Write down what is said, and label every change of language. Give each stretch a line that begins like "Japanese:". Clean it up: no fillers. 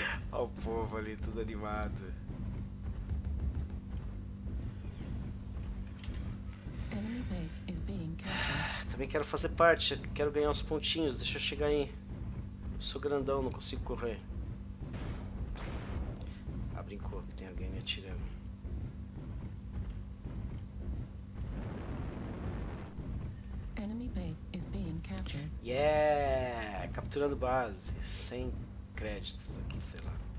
Portuguese: Olha o povo ali, tudo animado.
English: Enemy base is being captured.
Portuguese: Também quero fazer parte, quero ganhar uns pontinhos, deixa eu chegar aí. Eu sou grandão, não consigo correr. Ah, brincou, que tem alguém me atirando.
English: Enemy base is being captured. Yeah!
Portuguese: Capturando base, sem créditos aqui, sei lá.